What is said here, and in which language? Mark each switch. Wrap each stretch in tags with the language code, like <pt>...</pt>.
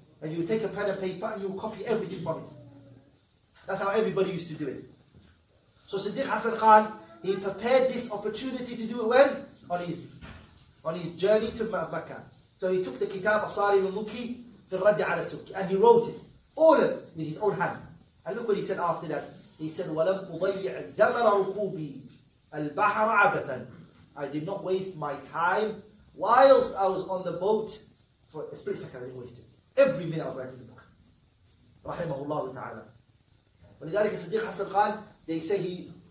<en>And you take a pen and paper and you copy everything from it. That's how everybody used to do it. So Siddiq Hassan Khan, he prepared this opportunity to do it when? On his journey to Mecca. So he took the kitab As-Sarib al-Mukki fi al-Raddi al-Sukki and he wrote it, all of it, with his own hand. And look what he said after that. He said,</en> <ar>وَلَمْ أُضَيِّعْ زَمَرَ رُقُوبِي الْبَحْرَ عَبَثًا.</ar> <en>I did not waste my time whilst I was on the boat for a split second, I didn't waste it. Every minute of writing the book. Rahimahullah ta'ala. When Siddiq Hassan Khan, they say he</en>